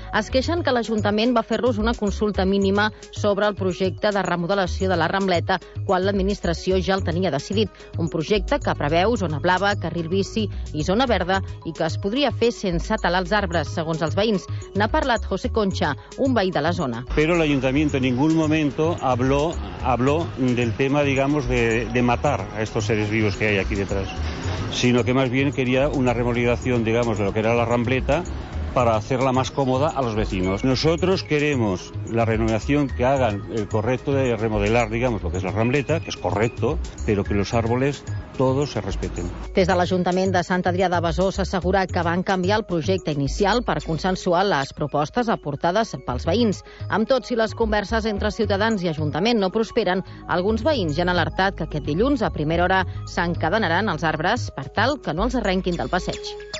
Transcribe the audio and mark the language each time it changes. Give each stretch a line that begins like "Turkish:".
Catalan: Es queixen que l'Ajuntament va fer-los una consulta mínima sobre el projecte de remodelació de la Rambleta quan l'administració ja el tenia decidit. Un projecte que preveu zona blava, carril bici i zona verda i que es podria fer sense talar els arbres, segons els veïns. N'ha parlat José Concha, un veí de la zona.
Spanish: Però l'Ajuntament en ningún momento habló del tema, digamos, de matar a estos seres vivos que hay aquí detrás, sino que más bien quería una remodelación, digamos, de lo que era la Rambleta para hacerla más cómoda a los vecinos. Nosotros queremos la renovación que hagan el correcto de remodelar, digamos, lo que es la Rambleta, que es correcto, pero que los árboles todos se respeten.
Catalan: Des de l'Ajuntament de Sant Adrià de Besòs s'assegura que van canviar el projecte inicial per consensuar les propostes aportades pels veïns. Amb tot, si les converses entre ciutadans i Ajuntament no prosperen, alguns veïns ja han alertat que aquest dilluns a primera hora s'encadenaran els arbres per tal que no els arrenquin del passeig.